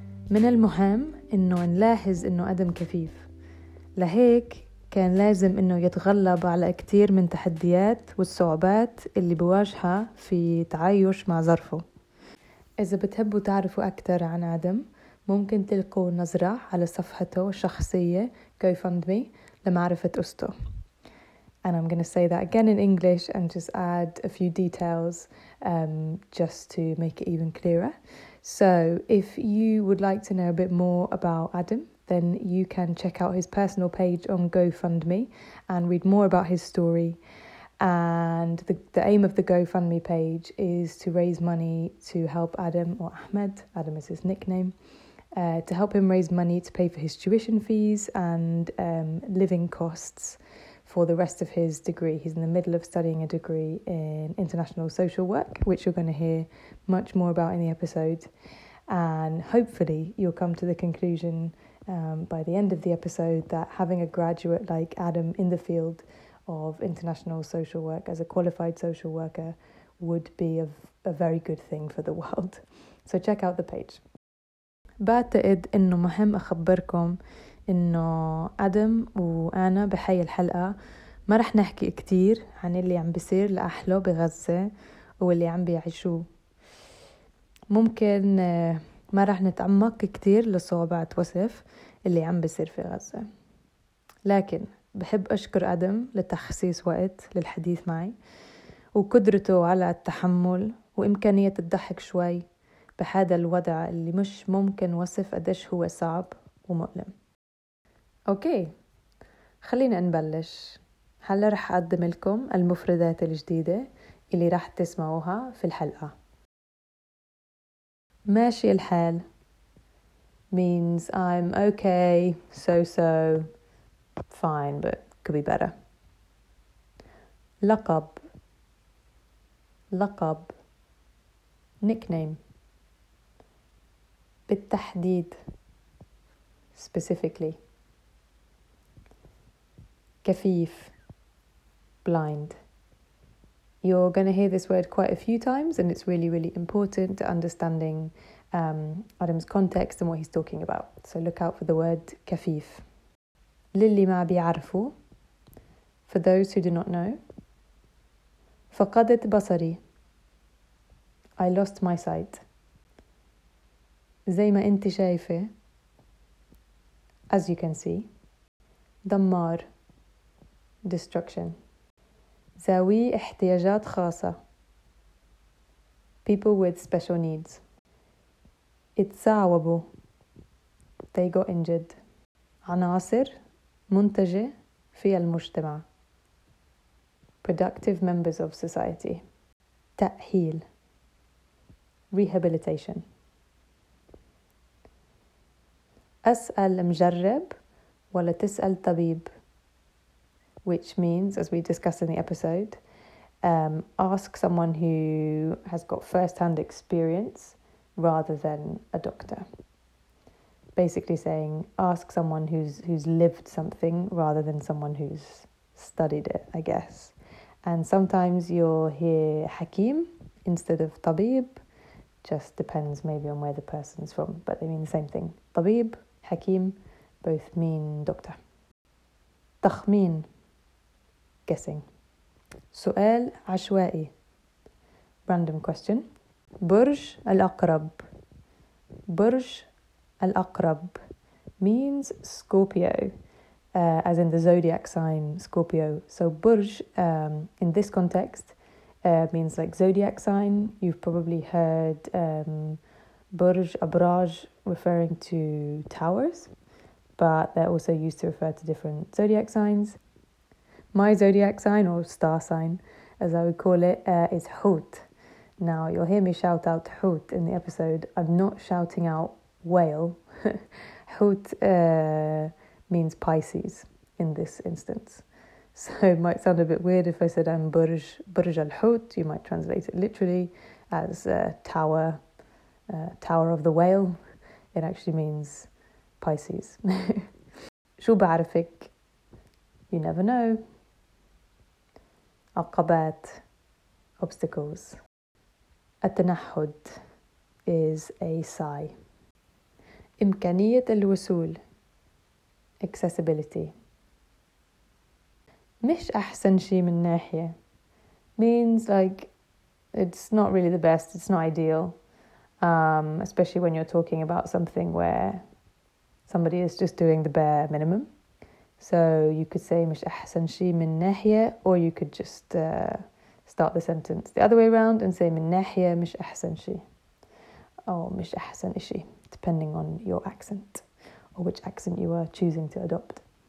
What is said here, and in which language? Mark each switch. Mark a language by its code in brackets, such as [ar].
[ar] من المهم إنه نلاحظ إنه أدم كفيف، لهيك كان لازم إنه يتغلب على كتير من تحديات والصعوبات اللي بواجهها في تعايش مع ظرفه. إذا بتحبوا تعرفوا أكثر عن أدم، ممكن تلقوا نظرة على صفحته الشخصية GoFundMe لمعرفة قصته. [en] And I'm going to say that again in English and just add a few details just to make it even clearer. So if you would like to know a bit more about Adam, then you can check out his personal page on GoFundMe and read more about his story. And the aim of the GoFundMe page is to raise money to help Adam, or Ahmed, Adam is his nickname, to help him raise money to pay for his tuition fees and living costs for the rest of his degree. He's in the middle of studying a degree in international social work, which you're going to hear much more about in the episode. And hopefully you'll come to the conclusion by the end of the episode that having a graduate like Adam in the field of international social work as a qualified social worker would be a very good thing for the world. So check out the page. [ar] بعتقد إنه مهم أخبركم إنه أدم وأنا بحي الحلقة ما رح نحكي كتير عن اللي عم بيصير لأحله بغزة واللي عم بيعيشوه. ممكن ما رح نتعمق كتير لصعوبات وصف اللي عم بيصير في غزة، لكن بحب أشكر أدم لتخصيص وقت للحديث معي وقدرته على التحمل وإمكانية الضحك شوي بهذا الوضع اللي مش ممكن وصف قديش هو صعب ومؤلم. أوكي، خلينا نبلش. هلا رح أقدم لكم المفردات الجديدة اللي رح تسمعوها في الحلقة. ماشي الحال [en] means I'm okay, so-so, fine, but could be better. [ar] لقب، لقب، [en] nickname. [ar] بالتحديد، [en] specifically. [ar] كفيف، blind. [en] You're going to hear this word quite a few times, and it's really, really important to understanding Adam's context and what he's talking about. So look out for the word كفيف. [ar] للي ما بيعرفوا، [en] for those who do not know. [ar] فقدت بصري، [en] I lost my sight. [ar] زي ما انت شايفة، [en] as you can see. [ar] دمار، [en] destruction. [ar] ذوي احتياجات خاصة، [en] people with special needs. [ar] اتصاوبوا، [en] they got injured. [ar] عناصر، منتجة في المجتمع، [en] productive members of society. [ar] تأهيل، [en] rehabilitation. [ar] أسأل مجرب ولا تسأل طبيب، [en] which means, as we discussed in the episode, ask someone who has got first-hand experience rather than a doctor. Basically saying, ask someone who's lived something rather than someone who's studied it, I guess. And sometimes you'll hear حكيم instead of طبيب, just depends maybe on where the person's from, but they mean the same thing. طبيب, حكيم, both mean doctor. [ar] تخمين, [en] guessing. [ar] سؤال عشوائي, [en] random question. [ar] برج الأقرب, برج الأقرب [en] means Scorpio, as in the zodiac sign Scorpio. So برج, in this context, means like zodiac sign. You've probably heard برج أبراج referring to towers, but they're also used to refer to different zodiac signs. My zodiac sign, or star sign, as I would call it, is حوت. Now, you'll hear me shout out حوت in the episode. I'm not shouting out whale. حوت means Pisces in this instance. So it might sound a bit weird if I said I'm Burj Al Hut. You might translate it literally as Tower of the Whale. It actually means Pisces. [ar] شو بعرفك? [en] You never know. [ar] عقبات, [en] obstacles. [ar] التنحد [en] is a sigh. [ar] إمكانية الوصول, [en] accessibility. [ar] مش أحسن شي من ناحية [en] means like it's not really the best, it's not ideal, especially when you're talking about something where somebody is just doing the bare minimum. So you could say [ar] مش أحسن شي من ناحية, [en] or you could just start the sentence the other way around and say [ar] من ناحية مش أحسن شي, [en] or [ar] مش أحسن إشي, [en] depending on your accent or which accent you are choosing to adopt.